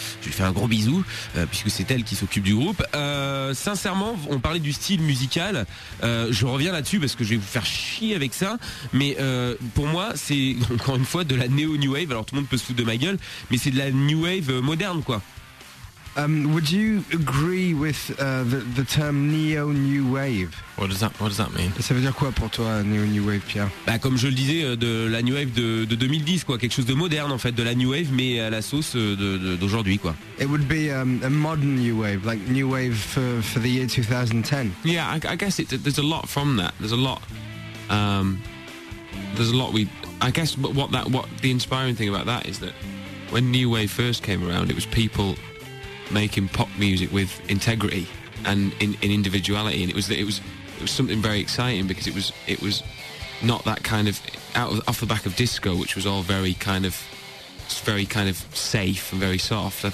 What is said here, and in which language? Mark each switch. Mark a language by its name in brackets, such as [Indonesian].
[French] Je lui fais un gros bisou puisque c'est elle qui s'occupe du groupe. Sincèrement, on parlait du style musical. Je reviens là-dessus parce que je vais vous faire chier avec ça. Mais pour moi, c'est encore une fois de la néo-new wave. Alors tout le monde peut se foutre de ma gueule, mais c'est de la new wave moderne, quoi. [English] Would you agree with the term neo new wave? What does that mean? [French] Ça veut dire quoi pour toi, neo new wave, Pierre? Bah comme je le disais, de la new wave de 2010, quoi, quelque chose de moderne en fait, de la new wave mais à la sauce d'aujourd'hui, quoi. [English] It would be a modern new wave, like new wave for the year 2010. Yeah, I guess there's a lot from that. What the inspiring thing about that is that when new wave first came around, it was people making pop music with integrity and in individuality, and it was something very exciting because it was not that kind of off the back of disco, which was all very kind of safe and very soft.